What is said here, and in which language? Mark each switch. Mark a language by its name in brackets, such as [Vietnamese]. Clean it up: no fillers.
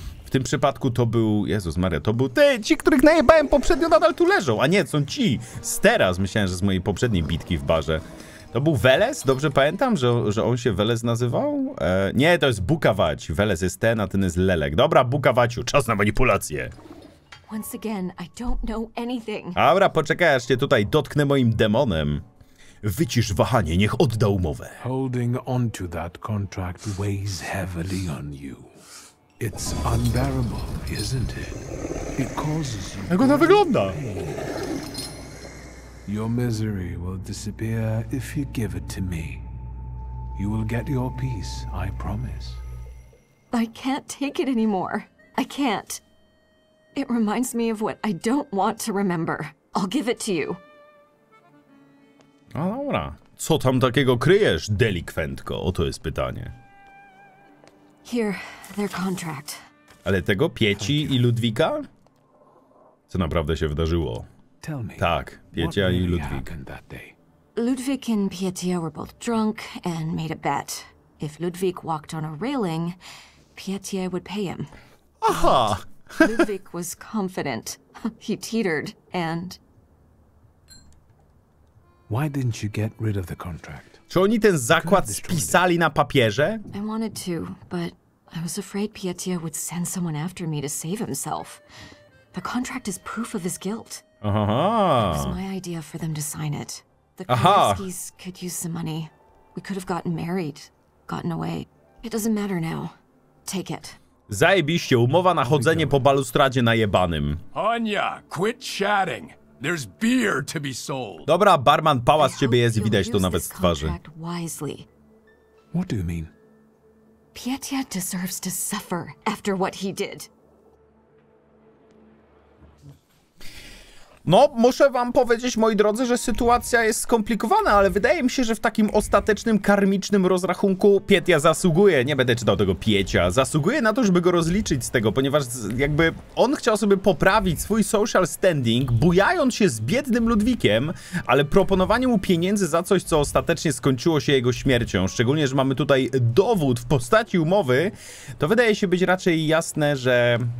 [Polish] W tym przypadku to był, Jezus Maria, to był ty, ci, których najebałem poprzednio nadal tu leżą. A nie, są ci. Z teraz, myślałem, że z mojej poprzedniej bitki w barze. To był Veles? Dobrze pamiętam, że on się Veles nazywał? Nie, to jest Bukawać. Veles jest ten, a ten jest Lelek. Dobra, Bukawaciu, czas na manipulację. [English] Once again, I don't know anything. [Polish] Dobra, poczekaj, aż cię tutaj dotknę moim demonem. Wycisz wahanie, niech odda umowę. [English] Holding on to that contract weighs heavily on you. It's unbearable, isn't it? It causes you... [Polish] Jak ona wygląda? [English] Your misery will disappear if you give it to me. You will get your peace, I promise. I can't take it anymore. I can't. It reminds me of what I don't want to remember. I'll give it to you. [Polish] A dobra. Co tam takiego kryjesz, delikwentko? Oto jest pytanie. [English] Here, their contract. [Polish] Ale tego Pieci i Ludwika? Co naprawdę się wydarzyło? [English] Tell me. [Polish] Tak, Pietia i Ludwik. [English] Ludwik and Pietia were both drunk and made a bet. If Ludwik walked on a railing, Pietia would pay him. Aha! Ludwik was confident. He teetered and... Why didn't you get rid of the contract? [Polish] Czy oni ten zakład spisali na papierze? [English] I wanted to, but I was afraid Pietia would send someone after me to save himself. The contract is proof of his guilt. Aha. It was my idea for them to sign it. The Kowalskis could use some money. We could have gotten married, gotten away. It doesn't matter now. Take it. [Polish] Zajebiście, umowa na chodzenie po balustradzie najebanym. [English] Anya, quit chatting. There's beer to be sold. [Polish] Dobra, barman, pała z ciebie jest, widać to nawet z twarzy. [English] Wisely. What do you mean? Pietia deserves to suffer after what he did. [Polish] No, muszę wam powiedzieć, moi drodzy, że sytuacja jest skomplikowana, ale wydaje mi się, że w takim ostatecznym, karmicznym rozrachunku Pietia zasługuje, nie będę czytał tego Piecia, zasługuje na to, żeby go rozliczyć z tego, ponieważ jakby on chciał sobie poprawić swój [English] social standing, [Polish] bujając się z biednym Ludwikiem, ale proponowanie mu pieniędzy za coś, co ostatecznie skończyło się jego śmiercią, szczególnie, że mamy tutaj dowód w postaci umowy, to wydaje się być raczej jasne, że...